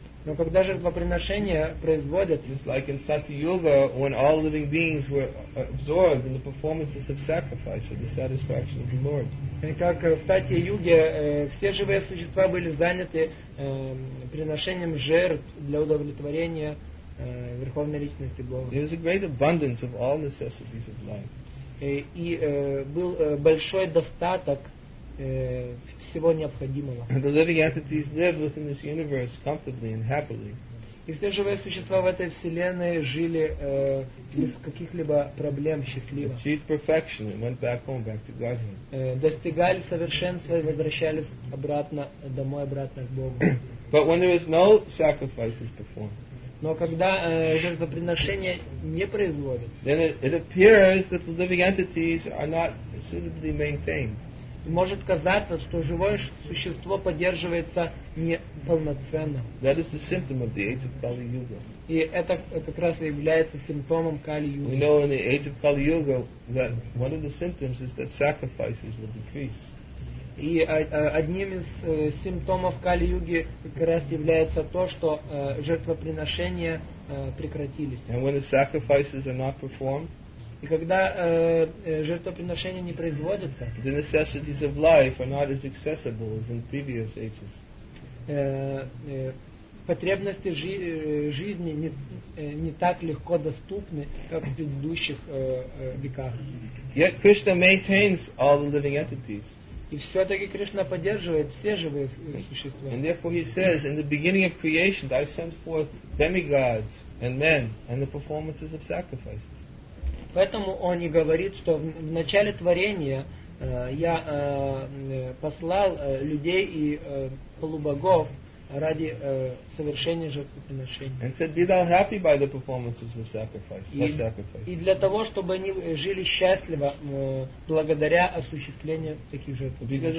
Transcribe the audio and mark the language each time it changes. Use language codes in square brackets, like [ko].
[ru] но когда жертвоприношения производятся, [en] just like in Sati Yuga, when all living beings were absorbed in the performances of sacrifice for the satisfaction of the Lord. [ru] Как в Сати Юге все живые существа были заняты приношением жертв для удовлетворения Верховной Личности Бога. [en] There is a great abundance of all necessities of life. [ru] И был большой достаток всего необходимого. [en] And the living entities live within this universe comfortably and happily. [ru] И все живые существа в этой вселенной жили без каких-либо проблем счастливо. [en] Achieved perfection and went back home, back to Godhead. [ru] Достигали совершенства и возвращались обратно домой, обратно к Богу. [en] But when there is no sacrifices performed. [ru] Но когда жертвоприношение не производится, [en] then it appears that the living entities are not suitably maintained. [ru] Может казаться, что живое существо поддерживается неполноценно. [en] That is the symptom of the age of Kali Yuga. [ru] И это как раз и является симптомом Кали-Юги. [en] We know in the age of Kali Yuga that one of the symptoms is that sacrifices will decrease. [ru] И одним из симптомов Кали-Юги как раз является то, что жертвоприношения прекратились. [en] And when the sacrifices are not performed, [ru] и когда жертвоприношения не производятся, [en] the necessities of life are not as accessible as in previous ages. [ru] Потребности жизни не так легко доступны, как в предыдущих веках. [en] Yet Krishna maintains all the living entities. [ru] И все-таки Кришна поддерживает все живые существа. [en] And therefore he says, in the beginning of creation, I sent forth demigods and men and the performances of sacrifices. [ru] Поэтому он и говорит, что в начале творения я послал людей и полубогов ради совершения жертвоприношений. [en] And said, be thou happy by the performances of sacrifice. [ru] И для того, чтобы они жили счастливо благодаря осуществлению таких жертвоприношений.